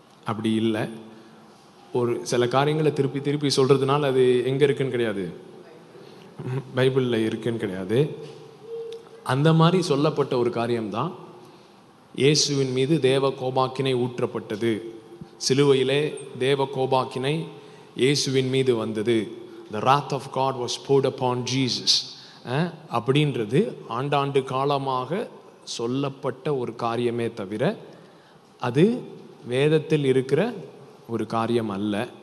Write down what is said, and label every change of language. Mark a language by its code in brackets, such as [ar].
[ta] அப்படி இல்லை, ஒரு சில காரியங்களை திருப்பி திருப்பி சொல்கிறதுனால அது எங்கே இருக்குன்னு கிடையாது, பைபிளில் இருக்குன்னு கிடையாது. அந்த மாதிரி சொல்லப்பட்ட ஒரு காரியம்தான் இயேசுவின் மீது தேவ கோபாக்கினை ஊற்றப்பட்டது. சிலுவையிலே தேவ கோபாக்கினை இயேசுவின் மீது வந்தது. [en] The wrath of God was poured upon Jesus. [ta] அப்படின்றது ஆண்டாண்டு காலமாக சொல்லப்பட்ட ஒரு காரியமே தவிர அது வேதத்தில் இருக்கிற ஒரு காரியம் அல்ல.